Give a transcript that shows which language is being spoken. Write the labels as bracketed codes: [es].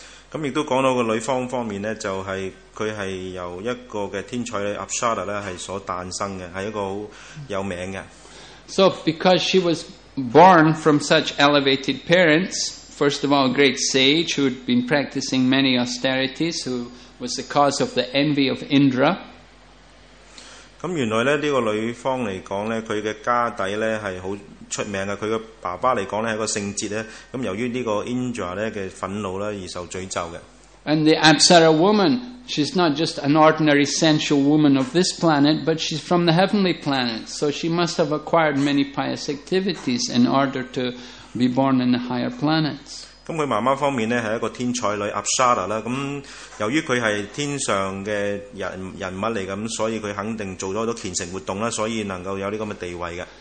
[yue] 咁亦都講到個女方方面咧，就係佢係由一個嘅天才咧 Apsara 咧係所誕生嘅，係一個好有名嘅。 [en] So because she was born from such elevated parents. First of all, a great sage who had been practicing many austerities, who was the cause of the envy of Indra. [yue] 咁原來咧，呢個女方嚟講咧，佢嘅家底咧係好出名嘅。佢嘅爸爸嚟講咧係一個聖哲咧。咁由於呢個 Indra 咧嘅憤怒咧而受詛咒嘅。 [en] And the Apsara woman, she's not just an ordinary sensual woman of this planet, but she's from the heavenly planet. So she must have acquired many pious activities in order to. Be born in the higher planets. [yue] 咁佢媽媽方面咧係一個天才女 Apsara 啦。咁由於佢係天上嘅人物嚟，咁所以佢肯定做咗好多虔誠活動啦，所以能夠有呢咁嘅地位嘅。